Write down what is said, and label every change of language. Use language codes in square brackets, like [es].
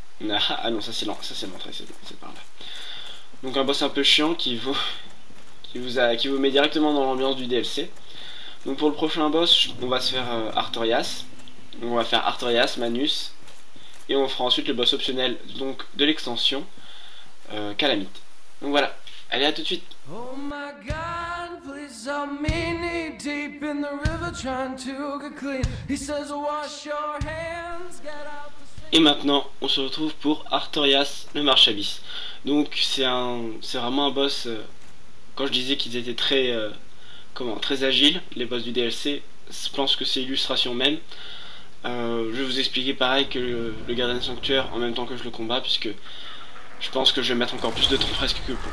[fr] Ah non, ça c'est l'entrée, c'est par là. Donc un boss un peu chiant qui vous met directement dans l'ambiance du DLC. Donc pour le prochain boss, on va se faire Artorias. On va faire Artorias, Manus. Et on fera ensuite le boss optionnel donc de l'extension, Calamite. Donc voilà, allez, à tout de suite. [en] Oh my god, please help me knee deep in the river trying to get clean. He says wash your hands, get out. [fr] Et maintenant, on se retrouve pour Artorias, le Marchabis. Donc, c'est vraiment un boss... quand je disais qu'ils étaient très... très agiles, les boss du DLC, je pense que c'est l'illustration même. Je vais vous expliquer pareil que le gardien de sanctuaire en même temps que je le combat, puisque je pense que je vais mettre encore plus de temps presque que pour.